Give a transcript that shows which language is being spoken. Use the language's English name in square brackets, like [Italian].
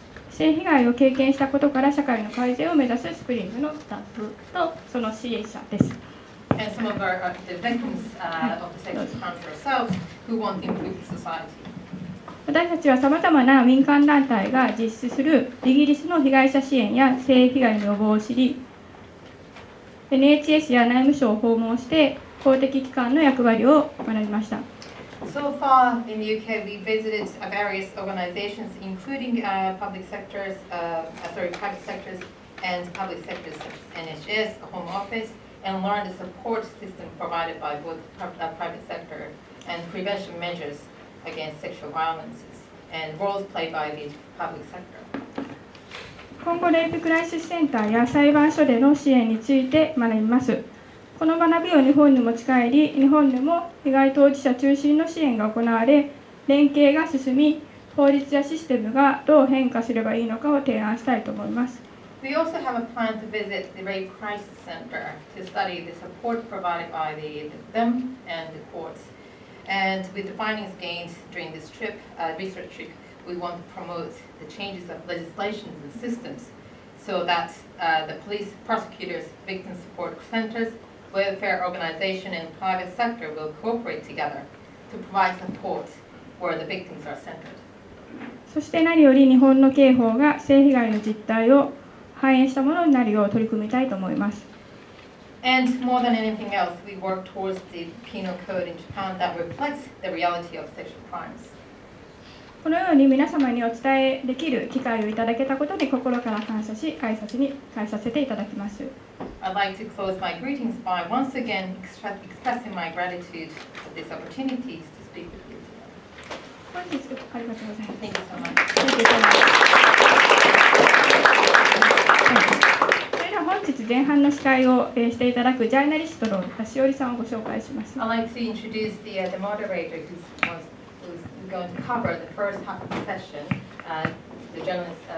[Japanese] 性被害を経験したことから社会の改善を目指すスプリングのスタッフとその支援者です。 [English] And some of our victims of the sexual crime ourselves who want to improve the society. [Japanese] 私たちはさまざまな民間団体が実施するイギリスの被害者支援や性被害の予防を知り、NHS や内務省を訪問して公的機関の役割を学びました。 [English] So far in the UK, we visited various organizations, including public sectors, private sectors and public sectors such as NHS, Home Office, and learned the support system provided by both private sector and prevention measures against sexual violence and roles played by the public sector. [Japanese] 今後レイプクライシスセンターや裁判所での支援について学びます。この学びを日本に持ち帰り、日本でも被害当事者中心の支援が行われ、連携が進み、法律やシステムがどう変化すればいいのかを提案したいと思います。 [English] We also have a plan to visit the Rape Crisis Center to study the support provided by them and the courts, and with the findings gained during this trip, research trip, we want to promote the changes of legislation and systems so that the police, prosecutors, victim support centers, welfare organization, and private sector will cooperate together to provide support where the victims are centered. [Japanese] そして何より日本の刑法が性被害の実態を反映したものになるよう取り組みたいと思います。 [English] And more than anything else, we work towards the penal code in Japan that reflects the reality of sexual crimes. [Japanese] このように皆様にお伝えできる機会をいただけたことに心から感謝し、挨拶に返させていただきます。 [English] I'd like to close my greetings by once again expressing my gratitude for this opportunity to speak with you. [Japanese] 本日、ありがとうございます。それでは本日前半の司会をしていただくジャーナリストの田しおりさんをご紹介します。 [English] I'd like to introduce the moderator who's going to cover the first half of the session, the journalist